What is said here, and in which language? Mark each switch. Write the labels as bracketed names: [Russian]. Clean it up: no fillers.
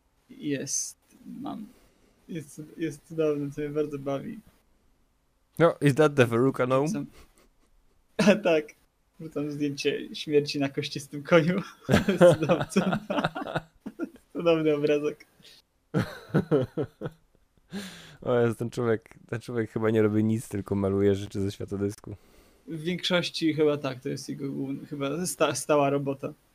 [Polish] Jest, mam. Jest cudowny, co mnie bardzo bawi. [English] No, is that the Veruca Gnome? [Polish] Tak, tak. Wrzucam zdjęcie śmierci na kościstym koniu z domcą. Podobny obrazek. O Jezu, ten człowiek chyba nie robi nic, tylko maluje rzeczy ze światodysku. W większości chyba tak, to jest jego główny, chyba stała robota.